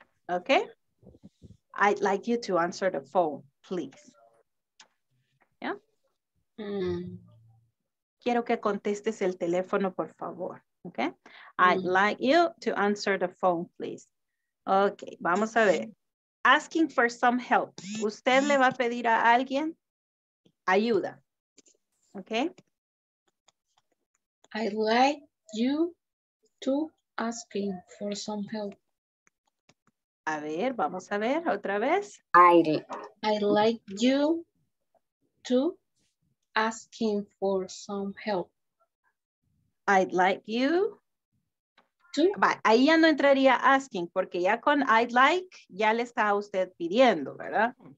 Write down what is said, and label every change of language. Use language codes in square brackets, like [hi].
[en] Okay? I'd like you to answer the phone. Please. Yeah. [es] Quiero que contestes el teléfono, por favor. Okay. [en] I'd like you to answer the phone, please. Okay. [es] Vamos a ver. [en] Asking for some help. [es] Usted le va a pedir a alguien ayuda. [en] Okay. I'd like you to ask him for some help. [es] A ver, vamos a ver otra vez. [en] I'd like you to ask him for some help. I'd like you to. [es] Ahí ya no entraría asking, porque ya con I'd like, ya le está usted pidiendo, ¿verdad?